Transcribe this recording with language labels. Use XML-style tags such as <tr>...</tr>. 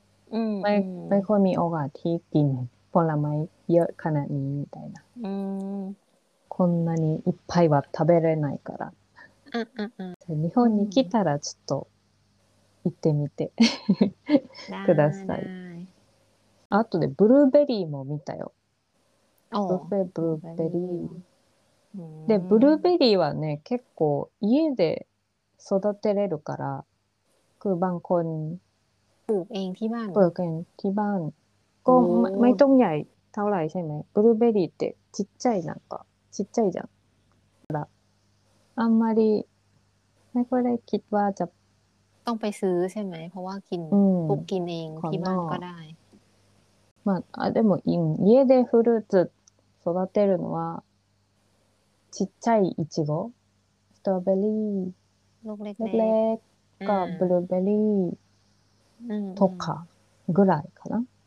<th>ไม่ค่อยมีโอกาสที่กินผลไม้เยอะขนาดนี้</th> <ja>みたいなこんなにいっぱいは食べれないから日本に来たらちょっと行ってみてくださいあとでブルーベリーも見たよブルーベリーでブルーベリーはね結構家で育てれるから空バンコン</ja> <th>ปลู กเองที่ บ้ าน ปลูกเองที่บ้านก็ไม่ต้องใหญ่เท่าไหร่ใช่ไหมบลูเบอรี่</th> <ja>ってちっちゃいなんかちっちゃいじゃんだあんまり</ja> <th>ไม่ค่อยได้คิดว่าจะ ต้องไปซื้อใช่ไหมเพราะว่ากินปลูกกินเองที่บ้านก็ได้</th> <ja>まあでもいい家でフルーツ育てるのはちっちゃいいちごストロベリー</ja> <th>เล็กๆกับบลูเบอรี่</th> <ja>とかぐらいかな。</ja>